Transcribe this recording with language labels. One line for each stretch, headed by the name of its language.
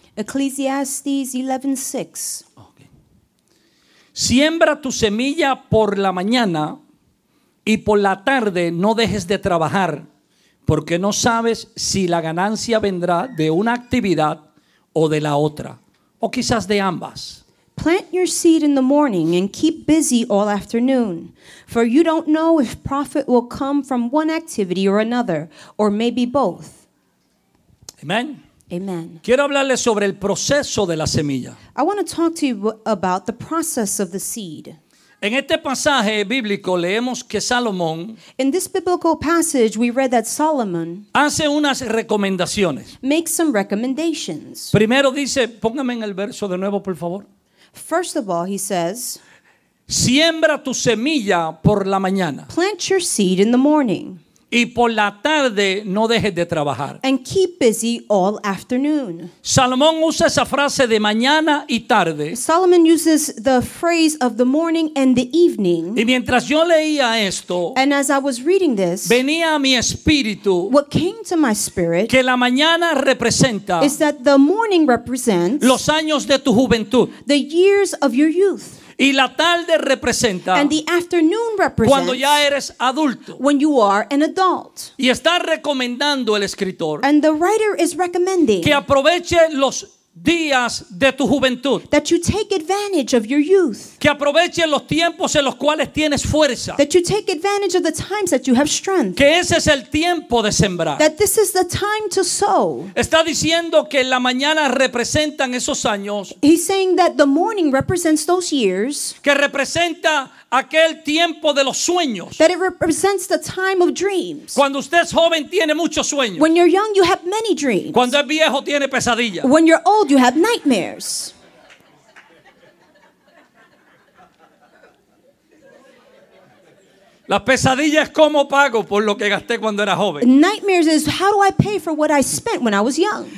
English: Ecclesiastes 11:6. Okay.
Spanish: Siembra tu semilla por la mañana y por la tarde no dejes de trabajar, porque no sabes si la ganancia vendrá de una actividad o de la otra, o quizás de ambas.
English: Plant your seed in the morning and keep busy all afternoon, for you don't know if profit will come from one activity or another, or maybe both. Amen. Amen.
Spanish: Quiero hablarles sobre el proceso de la semilla.
English: I want to talk to you about the process of the seed.
Spanish: En este pasaje bíblico leemos que Salomón,
English: in this biblical passage we read that Solomon,
Spanish: hace unas recomendaciones.
English: Makes some recommendations.
Spanish: Primero dice, póngame en el verso de nuevo, por favor.
English: First of all, he says,
Spanish: siembra tu semilla por la mañana.
English: Plant your seed in the morning.
Spanish: Y por la tarde no dejes de trabajar.
English: And keep busy all afternoon.
Spanish: Salomón usa esa frase de mañana y tarde.
English: Solomon uses the phrase of the morning and the evening.
Spanish: Y mientras yo leía esto,
English: and as I was reading this,
Spanish: venía a mi espíritu,
English: what came to my spirit,
Spanish: que la mañana representa,
English: is that the morning represents,
Spanish: los años de tu juventud,
English: the years of your youth.
Spanish: Y la tarde representa,
English: and the afternoon represents,
Spanish: cuando ya eres adulto,
English: when you are an adult.
Spanish: Y está recomendando el escritor,
English: and the writer is recommending,
Spanish: que aproveche los días de tu juventud.
English: That you take advantage of your youth.
Spanish: Que aproveches los tiempos en los cuales tienes fuerza.
English: That you take advantage of the times that you have strength.
Spanish: Que ese es el tiempo de sembrar.
English: That this is the time to sow.
Spanish: Está diciendo que la mañana representan esos años.
English: He's saying that the morning represents those years.
Spanish: Que representa aquel tiempo de los sueños.
English: That it represents the time of dreams.
Spanish: Cuando usted es joven tiene muchos sueños.
English: When you're young you have many dreams.
Spanish: Cuando es viejo tiene pesadillas.
English: When you're old you have nightmares.
Spanish: Las pesadillas cómo pago por lo que gasté cuando era joven.
English: Nightmares is how do I pay for what I spent when I was young.